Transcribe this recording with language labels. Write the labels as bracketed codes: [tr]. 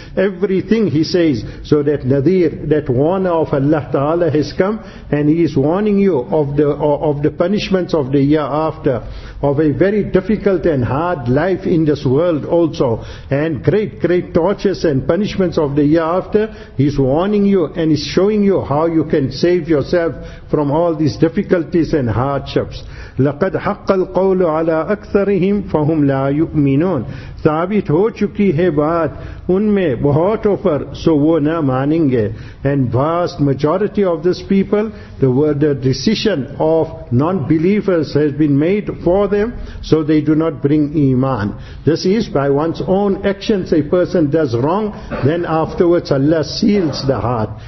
[en] Everything he says, so that Nadir, that warner of Allah Ta'ala has come, and he is warning you of the punishments of the year after, of a very difficult and hard life in this world also, and great, great tortures and punishments of the year after. He's warning you and he's showing you how you can save yourself from all these difficulties and hardships. [ar] لَقَدْ حَقَّ الْقَوْلُ عَلَىٰ أَكْثَرِهِمْ فَهُمْ لَا يُؤْمِنُونَ. [ur] ثابت ہو چکی ہے بات ان میں بہتوں پر سو وہ نہ مانیں گے. [en] And vast majority of these people, the decision of non-believers has been made for them, so they do not bring iman. This is by one's own actions a person does wrong, then afterwards Allah seals the heart.